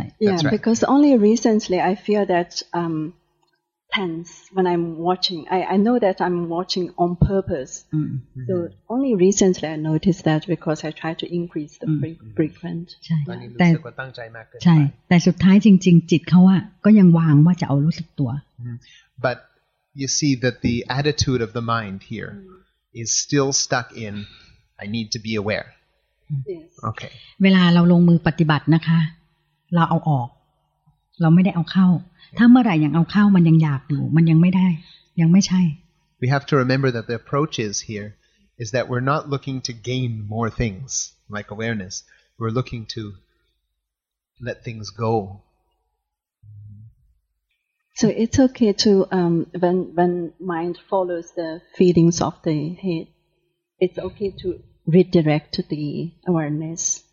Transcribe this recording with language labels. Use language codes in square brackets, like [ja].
[en] yeah because only recently I feel that tense when I'm watching I know that I'm watching on purpose so only recently I noticed that because I try to increase the frequency [th] ใช่แ ต่ตั้งใจมากเกินไป ใช่แต่สุดท้ายจริงๆจิตเขาอะก็ยังวางว่าจะเอารู้สึกตัว [en] But you see that the attitude of the mind here is still stuck in I need to be aware. Okay. [th] เวลาเราลงมือปฏิบัตินะคะเราเอาออกเราไม่ได้เอาเข้าถ้าเมื่อไหร่ยังเอาเข้ามันยังอยากอยู่มันยังไม่ได้ยังไม่ใช่ [en] We have to remember that the approach is here is that we're not looking to gain more things like awareness. We're looking to let things go So it's okay to when mind follows the feelings of the head, it's okay to redirect to the awareness.